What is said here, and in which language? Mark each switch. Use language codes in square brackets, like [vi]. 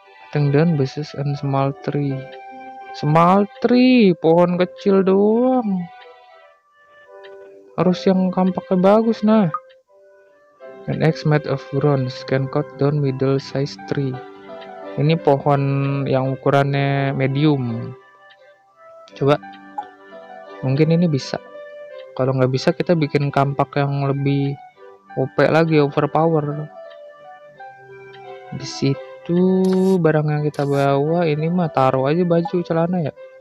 [en] Cutting down bushes and small tree. Small tree, [id] pohon kecil doang. Harus yang kampaknya bagus nah. [en] An axe made of bronze can cut down middle size tree. [id] Ini pohon yang ukurannya medium. Coba. Mungkin ini bisa. Kalau nggak bisa kita bikin kampak yang lebih OP lagi, overpower. Di situ barang yang kita bawa ini mah taruh aja baju celana ya.